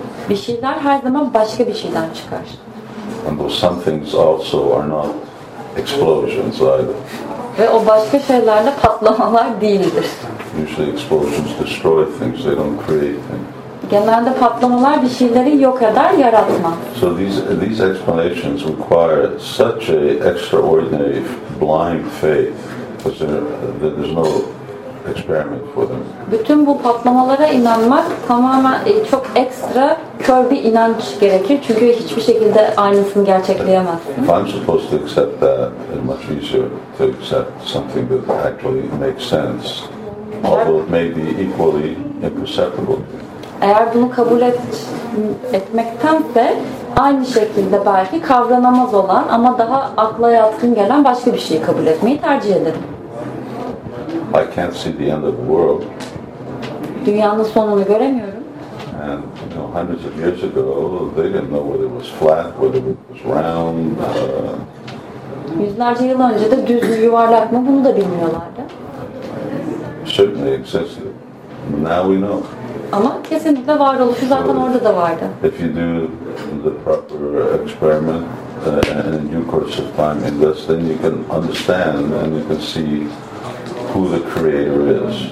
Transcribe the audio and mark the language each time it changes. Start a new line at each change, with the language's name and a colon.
Turkish: Bir şeyler her zaman başka bir şeyden çıkar.
English: And those some things also are not explosions either.
Turkish: Ve o başka şeyler de patlamalar değildir.
English: Usually explosions destroy things, they don't create things.
Turkish: Genelde patlamalar bir şeyleri yok eder, yaratmaz.
English: So these explanations require such a extraordinary blind faith that there's no experiment for them.
Turkish: Bütün bu patlamalara inanmak tamamen çok ekstra kör bir inanç gerekir. Çünkü hiçbir şekilde aynısını gerçekleyemezsin.
English: If I'm supposed to accept that, it's much easier to accept something that actually makes sense. Although it may be equally imperceptible.
Turkish: Eğer bunu kabul etmektense aynı şekilde belki kavranamaz olan ama daha akla yatkın gelen başka bir şeyi kabul etmeyi tercih ederim.
English: I can't see the end of the world.
Turkish: Dünyanın sonunu göremiyorum.
English: And you know, hundreds of years ago, they didn't know whether it was flat, whether it was round.
Turkish: Yüzlerce yıl önce de düz mü yuvarlak mı bunu da bilmiyorlardı.
English: Certainly existed. Now we know.
Turkish: Ama kesinlikle var oluşu zaten so orada da vardı.
English: If you do the proper experiment in due course of time, and thus then you can understand and you can see who the creator is.